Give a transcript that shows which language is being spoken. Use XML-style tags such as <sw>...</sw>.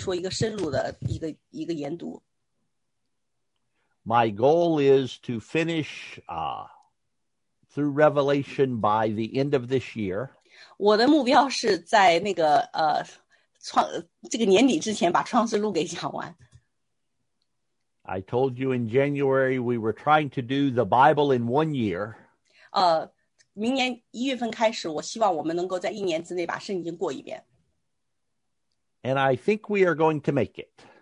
<zh>所以我们不会就是一句一句的经文这样的看,不是说一个深入的一个研读。</zh> <en>My goal is to finish through Revelation by the end of this year.</en> <zh>我的目标是在这个年底之前把创世录给讲完。</zh> <en>I told you in January we were trying to do the Bible in 1 year.</en> <zh>明年1月份开始,我希望我们能够在一年之内把圣经过一遍。</zh> <en>And I think we are going to make it.</en>